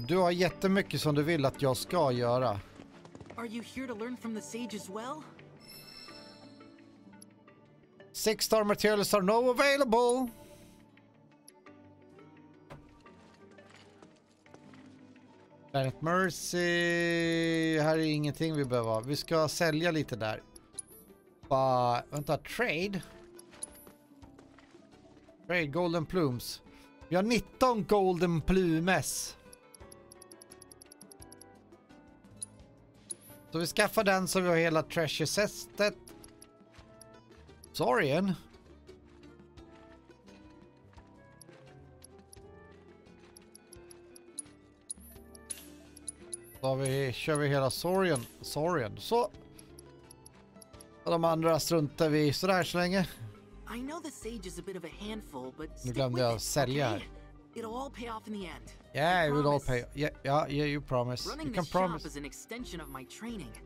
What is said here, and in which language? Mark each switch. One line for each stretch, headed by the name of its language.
Swedish: Du har jättemycket som du vill att jag ska göra.
English: Are you here to learn from the sage as well? Six star materials are now available. Planet Mercy.
Swedish: Här är ingenting vi behöver. Vi ska sälja lite där. Vänta, trade.
English: Trade golden plumes. Vi har 19 golden plumes.
Swedish: Så vi skaffar den så vi har hela treasure chestet. Sorien. Då vi kör vi hela Sorien. Så. Och de andra struntar vi så där så länge.
English: I know the sage is a bit of a handful, but
Swedish: nu glömde jag sälja.
English: It'll all pay off in the end. Yeah, it will all pay. Yeah, you promise. Running you can promise. Is an extension of my training.